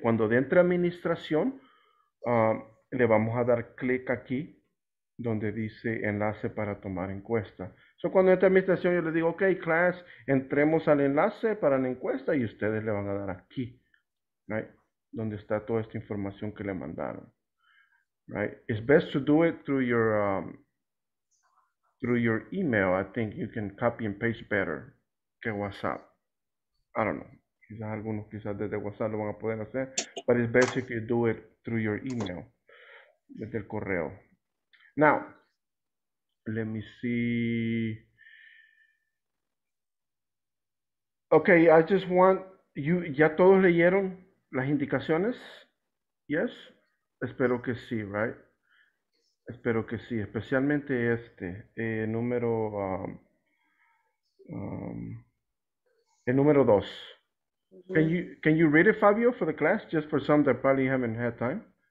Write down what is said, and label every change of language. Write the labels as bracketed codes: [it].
[es] Cuando de entre administración, le vamos a dar clic aquí donde dice enlace para tomar encuesta. [en] So [es] cuando entre administración yo le digo, [en] okay, class, [es] entremos al enlace para la encuesta y ustedes le van a dar aquí, [en] right? [es] Donde está toda esta información que le mandaron, [en] right? It's best to do it through your email. I think you can copy and paste better [es] que [en] WhatsApp. I don't know. [es] Quizás algunos quizás desde WhatsApp lo van a poder hacer, [en] but it's best if you do it through your email, [es] desde el correo. [en] Now, let me see. Okay, I just want you, [es] ¿ya todos leyeron las indicaciones? [en] Yes, [es] espero que sí, [en] right? [es] Espero que sí, especialmente este, el número dos. Mm-hmm. [en] Can you read it, Fabio, for the class? Just for some that probably haven't had time.